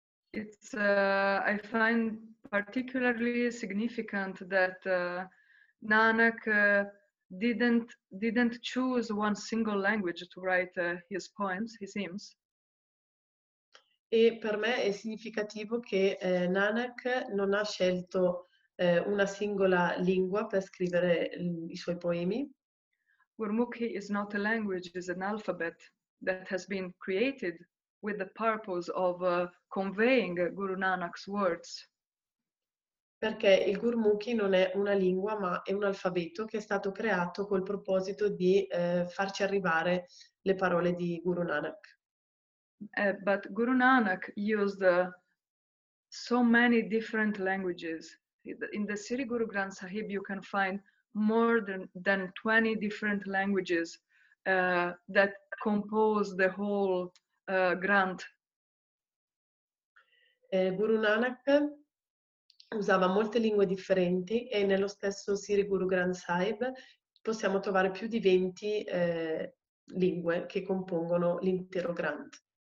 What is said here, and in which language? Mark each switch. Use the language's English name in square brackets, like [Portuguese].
[English] It's I find particularly significant that Nanak didn't choose one single language to write his poems, his hymns. [Italian] E per me è significativo che Nanak non ha scelto una singola lingua per scrivere i suoi poemi. [English] Gurmukhi is not a language, it's an alphabet that has been created with the purpose of conveying Guru Nanak's words. [Italian] Perché il Gurmukhi non è una lingua, ma è un alfabeto che è stato creato col proposito di farci arrivare le parole di Guru Nanak. [English] But Guru Nanak used so many different languages. In the Sri Guru Granth Sahib you can find more than 20 different languages that compose the whole Grant. [Italian] Guru Nanak usava molte lingue differenti, e nello stesso Sri Guru Granth Sahib possiamo trovare più di 20 lingue che compongono l'intero Grant.